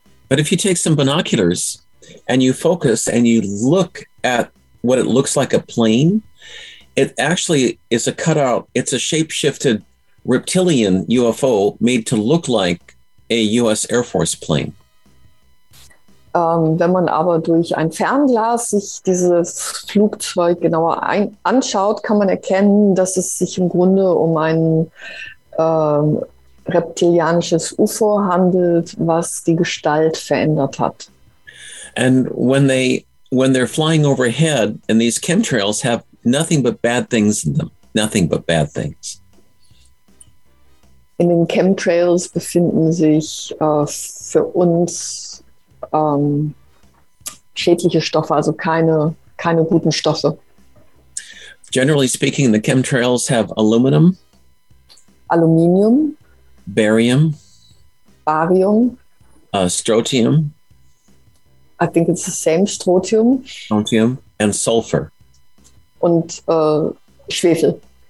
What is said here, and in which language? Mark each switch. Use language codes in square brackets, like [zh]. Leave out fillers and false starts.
[en] But if you take some binoculars and you focus and you look at what it looks like a plane, it actually is a cutout. It's a shape-shifted reptilian UFO made to look like a U.S. Air Force plane. [de] Wenn man aber durch ein Fernglas sich dieses Flugzeug genauer anschaut, kann man erkennen, dass es sich im Grunde um ein reptilianisches UFO handelt, was die Gestalt verändert hat. [en] And when they're flying overhead and these chemtrails have nothing but bad things in them, nothing but bad things. [de] In den Chemtrails befinden sich für uns schädliche Stoffe, also keine guten Stoffe. [en] Generally speaking, the chemtrails have aluminum. [de] Aluminium. [en] Barium. [de] Barium. [en] Strontium. I think it's the same, strontium. Strontium and sulfur. [de] Und Schwefel.